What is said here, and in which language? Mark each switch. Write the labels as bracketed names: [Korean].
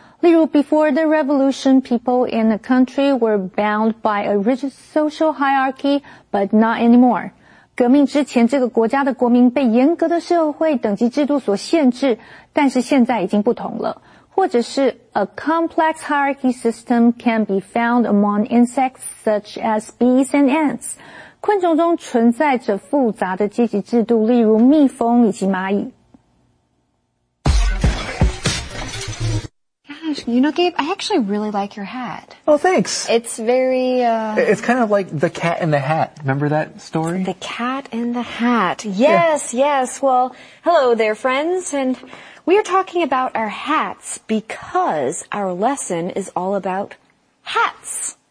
[Chinese] 例如 [English] ,before the revolution, people in the country were bound by a rigid social hierarchy, but not anymore. [Chinese] 革命之前，这个国家的国民被严格的社会等级制度所限制，但是现在已经不同了。或者是 [English] ,a complex hierarchy system can be found among insects such as bees and ants. [Chinese] 昆虫中存在着复杂的阶级制度，例如蜜蜂以及蚂蚁。 [English] Gosh, you know, Gabe, I actually really like your hat. Oh, thanks. It's very, It's kind of like the cat in the hat. Remember that story? The cat in the hat. Yes, yes. Well, hello there, friends. And we are talking about our hats because our lesson is all about hats.